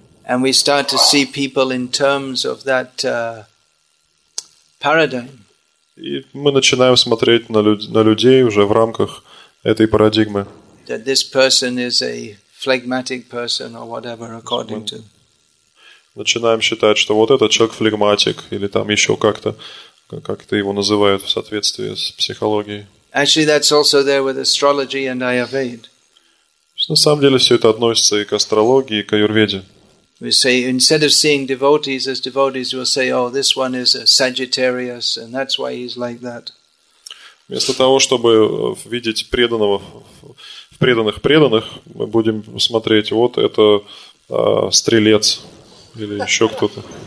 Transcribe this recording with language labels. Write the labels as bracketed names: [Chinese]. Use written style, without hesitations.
[English] And we start to see people in terms of that paradigm. [Russian] И мы начинаем смотреть на людей уже в рамках этой парадигмы. [English] That this person is a phlegmatic person or whatever, according to. [Russian] Начинаем считать, что вот этот человек флегматик или там еще как-то, как-то его называют в соответствии с психологией. [English] Actually, that's also there with astrology and Ayurveda. [Russian] На самом деле все это относится и к астрологии, и к Аюрведе. [English] We say, instead of seeing devotees as devotees, we'll say, oh, this one is a Sagittarius, and that's why he's like that. [Russian] Вместо того, чтобы видеть преданного в преданных, мы будем смотреть, вот это стрелец, или еще кто-то.